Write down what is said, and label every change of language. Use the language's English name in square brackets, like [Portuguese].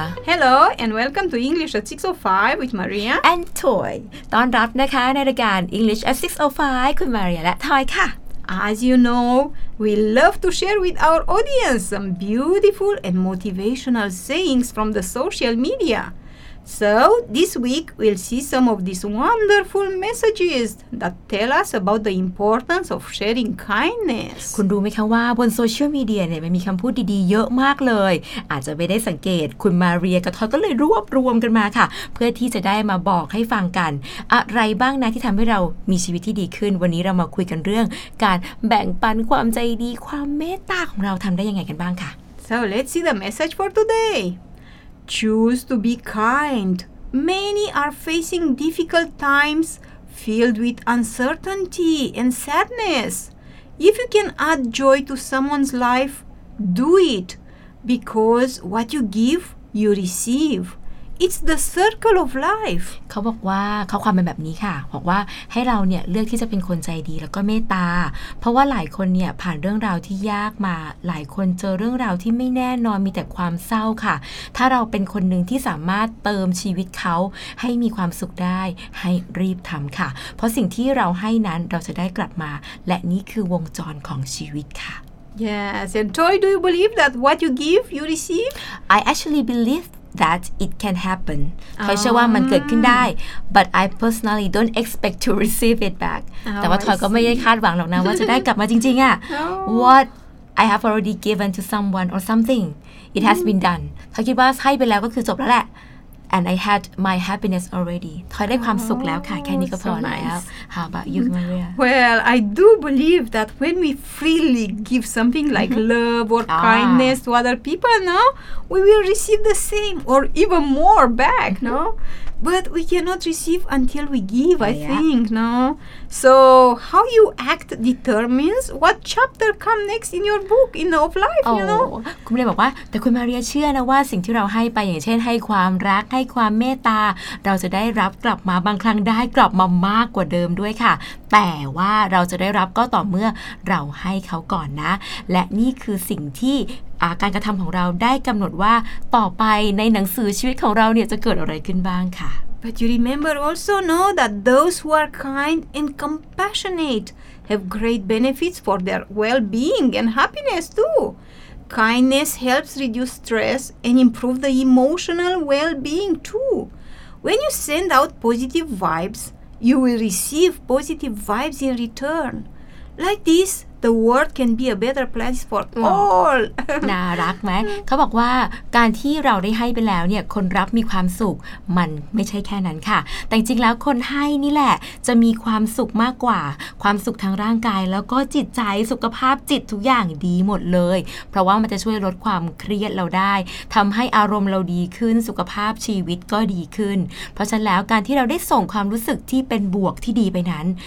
[English] Hello and welcome to English at 6:05 with Maria and Toy. [Thai] ต้อนรับนะคะในรายการ English at 6:05 คุณมาเรียและ Toy ค่ะ [English] As you know, we love to share with our audience some beautiful and motivational sayings from the social media. So, this week we'll see some of these wonderful messages that tell us about the importance of sharing kindness. [Thai] คุณรู้ไหมคะว่าบนโซเชียลมีเดียเนี่ยมันมีคำพูดดีๆเยอะมากเลยอาจจะไม่ได้สังเกตคุณมาเรียกับทอยก็เลยรวบรวมกันมาค่ะเพื่อที่จะได้มาบอกให้ฟังกันอะไรบ้างนะที่ทำให้เรามีชีวิตที่ดีขึ้นวันนี้เรามาคุยกันเรื่องการแบ่งปันความใจดีความเมตตาของเราทำได้ยังไงกันบ้างค่ะ [English] So let's see the message for todayChoose to be kind. Many are facing difficult times filled with uncertainty and sadness. If you can add joy to someone's life, do it. Because what you give, you receive. It's the circle of life. [Thai] เขาบอกว่าข้อความเป็นแบบนี้ค่ะบอกว่าให้เราเนี่ยเลือกที่จะเป็นคนใจดีแล้วก็เมตตาเพราะว่าหลายคนเนี่ยผ่านเรื่องราวที่ยากมาหลายคนเจอเรื่องราวที่ไม่แน่นอนมีแต่ความเศร้าค่ะถ้าเราเป็นคนหนึ่งที่สามารถเติมชีวิตเขาให้มีความสุขได้ให้รีบทำค่ะเพราะสิ่งที่เราให้นั้นเราจะได้กลับมาและนี่คือวงจรของชีวิตค่ะ [English] Yes, and Toy, do you believe that what you give, you receive? I actually believeThat it can happen. [Thai] ทอยเชื่อว่ามันเกิดขึ้นได้ [English] but I personally don't expect to receive it back. [Thai] แต่ว่าทอยก็ไม่ได้คาดหวังหรอกนะว่าจะได้กลับมาจริงๆอ่ะ [English] What I have already given to someone or something, it has been done. [Thai] ทอยคิดว่าให้ไปแล้วก็คือจบแล้วแหละ [English] And I had my happiness already. [Thai] ทอยได้ความสุขแล้วค่ะแค่นี้ก็พอแล้ว [English] How about you, Maria? Well, I do believe that when we freely give something like love or kindness to other people, no, we will receive the same or even more back, no? But we cannot receive until we give, I think, no? So how you act determines what chapter comes next in your book, in of life, you know? [Thai] คุณเลยบอกว่าแต่คุณมาเรียเชื่อนะว่าสิ่งที่เราให้ไปอย่างเช่นให้ความรักให้ความเมตตาเราจะได้รับกลับมาบางครั้งได้กลับมามากกว่าเดิมด้วยค่ะแต่ว่าเราจะได้รับก็ต่อเมื่อเราให้เขาก่อนนะและนี่คือสิ่งที่การกระทำของเราได้กำหนดว่าต่อไปในหนังสือชีวิตของเราเนี่ยจะเกิดอะไรขึ้นบ้างค่ะ [English] But you remember also know that those who are kind and compassionate have great benefits for their well-being and happiness too. Kindness helps reduce stress and improve the emotional well-being too. When you send out positive vibes, you will receive positive vibes in return. Like this. The world can be a better place for all. [Thai] น่ารักไหมเขาบอกว่าการที่เราได้ให้ไปแล้วเนี่ยคนรับมีความสุขมันไม่ใช่แค่นั้นค่ะแต่จริงแล้วคนให้นี่แหละจะมีความสุขมากกว่าความสุขทางร่างกายแล้วก็จิตใจสุขภาพจิตทุกอย่างดีหมดเลยเพราะว่ามันจะช่วยลดความเครียดเราได้ทำให้อารมณ์เราดีขึ้นสุขภาพชีวิตก็ดีขึ้นเพราะฉะนั้นแล้วการที่เราได้ส่งความรู้สึกที่เป็นบวกที่ดีไปนั้น